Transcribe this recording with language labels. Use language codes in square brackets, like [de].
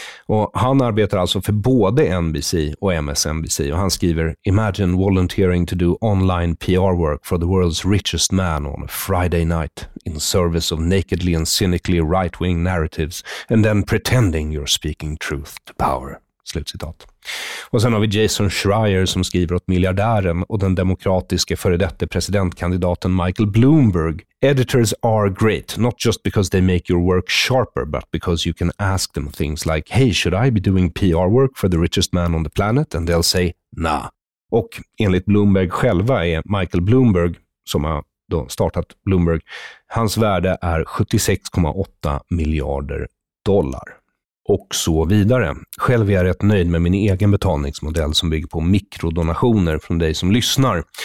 [sv] Och han arbetar alltså för både NBC och MSNBC, och han skriver, [en] imagine volunteering to do online PR work for the world's richest man on a Friday night in service of nakedly and cynically right-wing narratives and then pretending you're speaking truth to power. [sv] Slutcitat. Och sen har vi Jason Schreier, som skriver åt miljardären och den demokratiske före detta presidentkandidaten Michael Bloomberg. [en] Editors are great, not just because they make your work sharper, but because you can ask them things like, hey, should I be doing PR work for the richest man on the planet? And they'll say, nah. [sv] Och enligt Bloomberg själva är Michael Bloomberg, som har då startat Bloomberg, hans värde är 76,8 miljarder dollar. och så vidare. Själv är jag rätt nöjd med min egen betalningsmodell som bygger på mikrodonationer från dig som lyssnar.